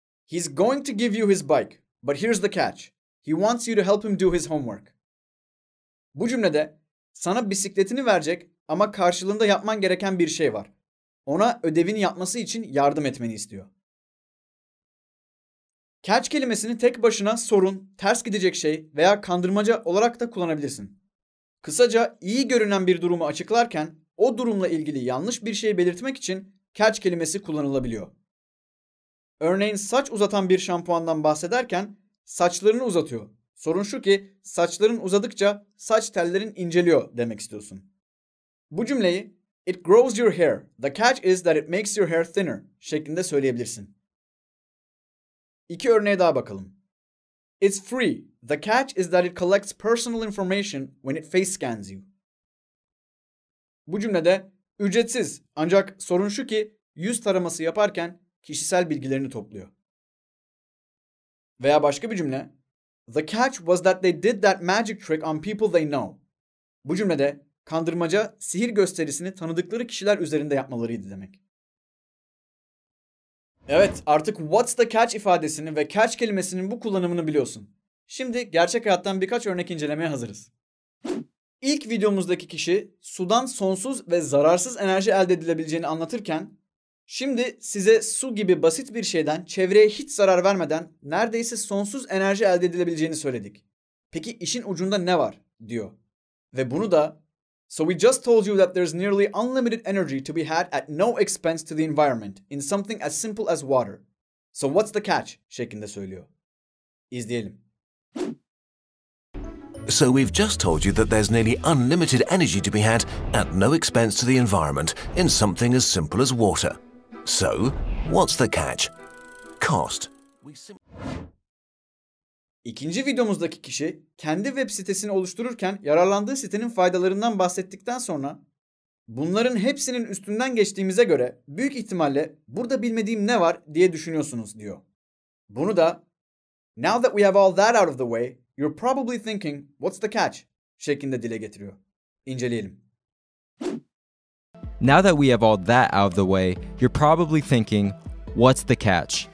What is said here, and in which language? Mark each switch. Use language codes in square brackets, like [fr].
[en] He's going to give you his bike, but here's the catch. He wants you to help him do his homework. [tr] Bu cümlede sana bisikletini verecek ama karşılığında yapman gereken bir şey var. Ona ödevini yapması için yardım etmeni istiyor. Catch kelimesini tek başına sorun, ters gidecek şey veya kandırmaca olarak da kullanabilirsin. Kısaca iyi görünen bir durumu açıklarken o durumla ilgili yanlış bir şey belirtmek için catch kelimesi kullanılabiliyor. Örneğin saç uzatan bir şampuandan bahsederken saçlarını uzatıyor. Sorun şu ki saçların uzadıkça saç tellerin inceliyor demek istiyorsun. Bu cümleyi [en] it grows your hair, the catch is that it makes your hair thinner [tr] şeklinde söyleyebilirsin. İki örneğe daha bakalım. [en] It's free, the catch is that it collects personal information when it face scans you. [tr] Bu cümlede ücretsiz ancak sorun şu ki yüz taraması yaparken kişisel bilgilerini topluyor. Veya başka bir cümle. [en] The catch was that they did that magic trick on people they know. [tr] Bu cümlede kandırmaca sihir gösterisini tanıdıkları kişiler üzerinde yapmalarıydı demek. Evet, artık [en] what's the catch [tr] ifadesini ve catch kelimesinin bu kullanımını biliyorsun. Şimdi gerçek hayattan birkaç örnek incelemeye hazırız. İlk videomuzdaki kişi sudan sonsuz ve zararsız enerji elde edilebileceğini anlatırken, şimdi size su gibi basit bir şeyden çevreye hiç zarar vermeden neredeyse sonsuz enerji elde edilebileceğini söyledik. Peki işin ucunda ne var? Diyor. Ve bunu da [en] "So we just told you that there's nearly unlimited energy to be had at no expense to the environment in something as simple as water. So what's the catch?" [tr] şeklinde söylüyor. İzleyelim. [en] So we've just told you that there's nearly unlimited energy to be had at no expense to the environment in something as simple as water. So, what's the catch? Cost. [tr] İkinci videomuzdaki kişi kendi web sitesini oluştururken yararlandığı sitenin faydalarından bahsettikten sonra "Bunların hepsinin üstünden geçtiğimize göre büyük ihtimalle burada bilmediğim ne var diye düşünüyorsunuz." diyor. Bunu da [en] "Now that we have all that out of the way, you're probably thinking, what's the catch?" [tr] şeklinde dile getiriyor. İnceleyelim. [en] Now that we have all that out of the way, you're probably thinking, what's the catch?